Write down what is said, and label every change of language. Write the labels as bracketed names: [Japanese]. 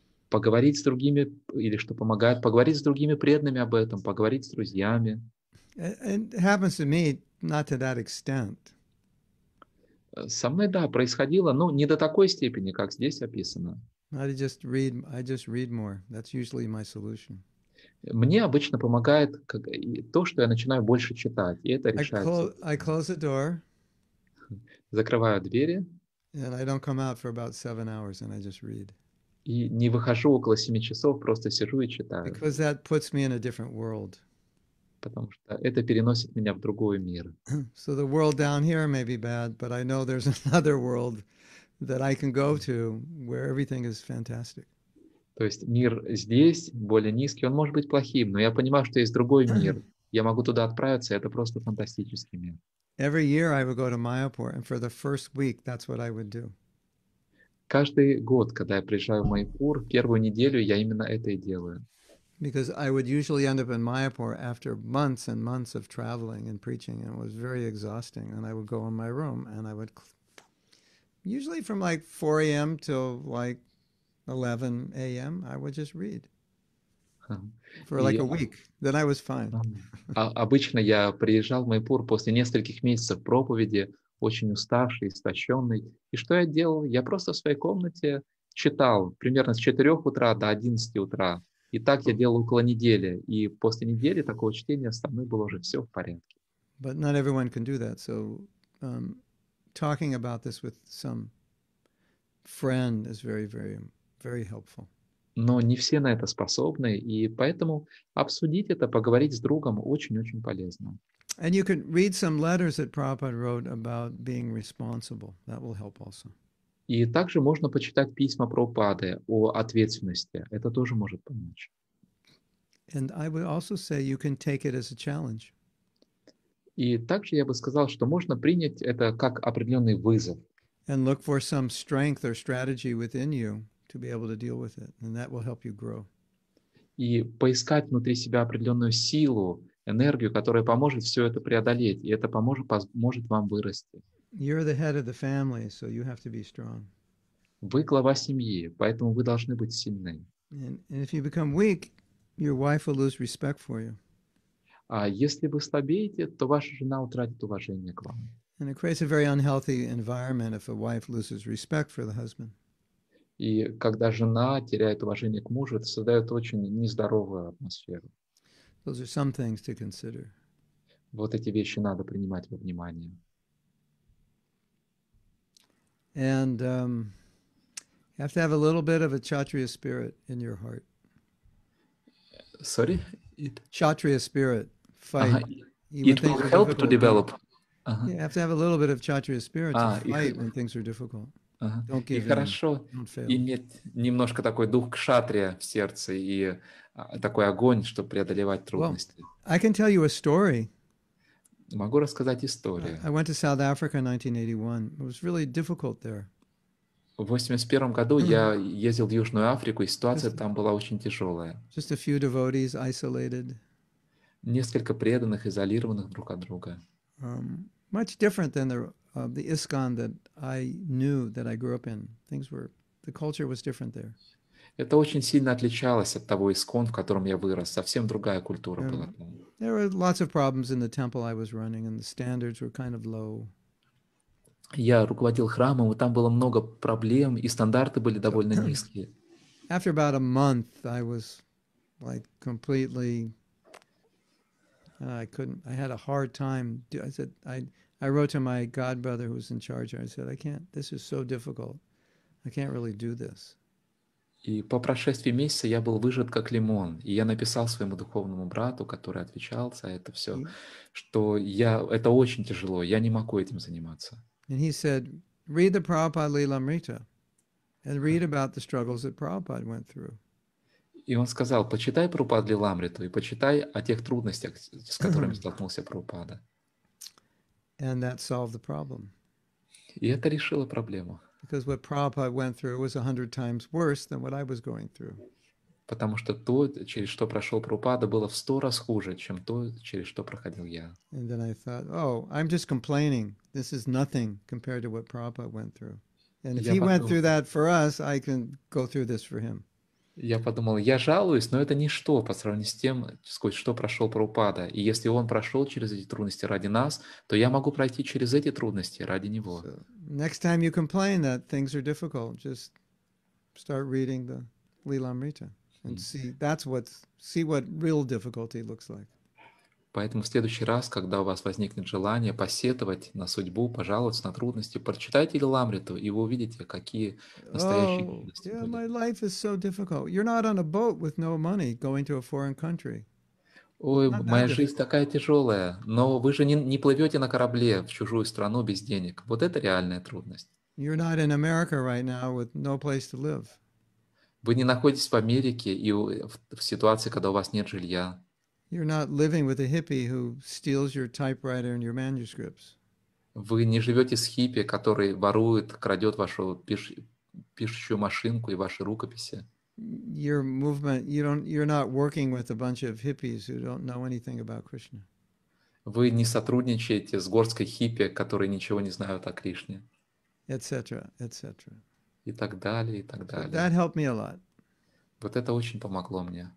[Russian] Поговорить с другими, или что помогает, поговорить с другими преданными об этом, поговорить с друзьями. [English] It happens to me not to that extent. [Russian] Со мной, да, происходило, но не до такой степени, как здесь описано. [English] I just read more. That's usually my solution. [Russian] Мне обычно помогает то, что я начинаю больше читать, и это решается. [English] I close the door. [Russian] Закрываю двери. [English] And I don't come out for about 7 hours, and I just read. [Russian] И не выхожу около 7 часов, просто сижу и читаю. [English] Because that puts me in a different world. [Russian] Потому что это переносит меня в другой мир. [English] So the world down here may be bad, but I know there's another world that I can go to where everything is fantastic. [Russian] То есть мир здесь, более низкий, он может быть плохим, но я понимаю, что есть другой мир. Я могу туда отправиться, это просто фантастический мир. [English] Every year I would go to Mayapur, and for the first week that's what I would do. [Russian] Каждый год, когда я приезжаю в Майпур, первую неделю я именно это и делаю. [English] Because I would usually end up in Mayapur after months and months of traveling and preaching, and it was very exhausting, and I would go in my room, and I would usually from like 4 a.m. till like 11 a.m. I would just read for like a week. Then I was fine. [Russian] Обычно я приезжал в Майпур после нескольких месяцев проповеди, очень уставший, истощенный. И что я делал? Я просто в своей комнате читал примерно с 4 утра до 11 утра. И так я делал около недели. И после недели такого чтения со мной было уже все в порядке. [English] But not everyone can do that. So talking about this with some friend is very, very, very helpful. [Russian] Но не все на это способны. И поэтому обсудить это, поговорить с другом очень-очень полезно. [English] And you can read some letters that Prabhupada wrote about being responsible. That will help also. [Russian] И также можно почитать письма Прабхупады о ответственности. Это тоже может помочь. [English] And I would also say you can take it as a challenge. [Russian] И также я бы сказал, что можно принять это как определенный вызов. [English] And look for some strength or strategy within you to be able to deal with it, and that will help you grow. [Russian] И поискать внутри себя определенную силу, энергию, которая поможет все это преодолеть, и это поможет вам вырасти. [English] You're the head of the family, so you have to be strong. [Russian] Вы глава семьи, поэтому вы должны быть сильны. [English] And if you become weak, your wife will lose respect for you. [Russian] А если вы слабеете, то ваша жена утратит уважение к вам. [English] And it creates a very unhealthy environment if a wife loses respect for the husband. [Russian] И когда жена теряет уважение к мужу, это создает очень нездоровую атмосферу. [English] Those are some things to consider. [Russian] Вот эти вещи надо принимать во внимание. [English] And you have to have a little bit of a kshatriya spirit in your heart. Sorry? Kshatriya spirit, fight. It will help to develop. You have to have a little bit of kshatriya spirit to fight when things are difficult. Don't give in. [Russian] Хорошо иметь немножко такой дух кшатрия в сердце и такой огонь, чтобы преодолевать трудности. [English] I can tell you a story. [Russian] Могу рассказать историю. [English] I went to South Africa in 1981. It was really difficult there. [Russian] В 81 году я ездил в Южную Африку, и ситуация там была очень тяжелая. [English] Just a few devotees isolated. [Russian] Несколько преданных, изолированных друг от друга. [English] Much different than the ISKCON that I knew, that I grew up in. The culture was different there. [Russian] Это очень сильно отличалось от того ИСККОН, в котором я вырос. Совсем другая культура была. [English] There were lots of problems in the temple I was running, and the standards were kind of low. [Russian] Я руководил храмом, и там было много проблем, и стандарты были довольно низкие. [English] After about a month, I was like completely, I couldn't, I had a hard time. I said, I wrote to my godbrother who was in charge. I said, I can't, this is so difficult. I can't really do this. [Russian] И по прошествии месяца я был выжат как лимон, и я написал своему духовному брату, который отвечал за это все, что я, это очень тяжело, я не могу этим заниматься. [English] And he said, read the Prabhupada Lilamrita and read about the struggles that Prabhupada went through. [Russian] И он сказал, почитай Прабхупад Лиламриту и почитай о тех трудностях, с которыми столкнулся Прабхупада. [English] And that solved the problem. [Russian] И это решило проблему. [English] Because what Prabhupada went through was 100 times worse than what I was going through. [Russian] Потому что то, через что прошел Прабхупада, было в 100 раз хуже, чем то, через что проходил я. [English] And then I thought, oh, I'm just complaining. This is nothing compared to what Prabhupada went through. And if he went through that for us, I can go through this for him. [Russian] Я подумал, я жалуюсь, но это ничто по сравнению с тем, сквозь что прошел Прабхупада. И если он прошел через эти трудности ради нас, то я могу пройти через эти трудности ради него. [English] So, next time you complain that things are difficult, just start reading the Lilamrita. And see, that's what, see what real difficulty looks like. [Russian] Поэтому в следующий раз, когда у вас возникнет желание посетовать на судьбу, пожаловаться на трудности, прочитайте Лиламриту, и вы увидите, какие настоящие трудности. [English] My life is so difficult. You're not on a boat with no money going to a foreign country. [Russian] Ой, моя жизнь такая тяжелая, но вы же не плывете на корабле в чужую страну без денег. Вот это реальная трудность. [English] You're not in America right now with no place to live. [Russian] Вы не находитесь в Америке и в ситуации, когда у вас нет жилья. [English] You're not living with a hippie who steals your typewriter and your manuscripts. [Russian] Вы не живете с хиппи, который ворует, крадет вашу пишущую машинку и ваши рукописи. [English] Your movement, you're not working with a bunch of hippies who don't know anything about Krishna. [Russian] Вы не сотрудничаете с горской хиппи, которые ничего не знают о Кришне. [English] Etc. Etc. [Russian] И так далее, и так далее. [English] So that helped me a lot. [Russian] Вот это очень помогло мне.